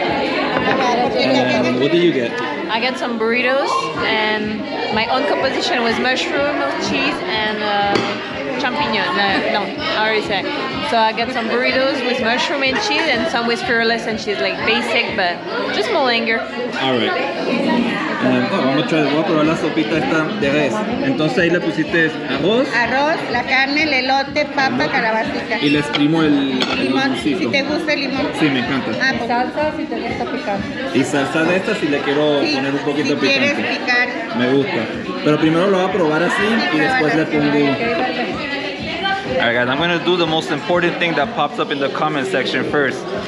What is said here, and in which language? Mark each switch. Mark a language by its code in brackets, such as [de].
[en] And what did you get? I got some burritos and my own composition was mushroom, cheese, and champignon. No, how do you say? So I got some burritos with mushroom and cheese and some with fearless and cheese, like basic, but just more linger. All right. [es] Vamos a try, voy a probar la sopita esta de res. Entonces ahí le pusiste arroz. Arroz, la carne, el elote, papa, calabacita. Y le exprimo el limón. Si te gusta el limón. Sí, me encanta. Y salsa si te gusta picar. Y salsa de esta si le quiero poner un poquito si picante. Si quieres picar. Me gusta. Pero primero lo voy a probar así y después le pongo. [en] All right, guys, I'm going to do the most important thing that pops up in the comment section first.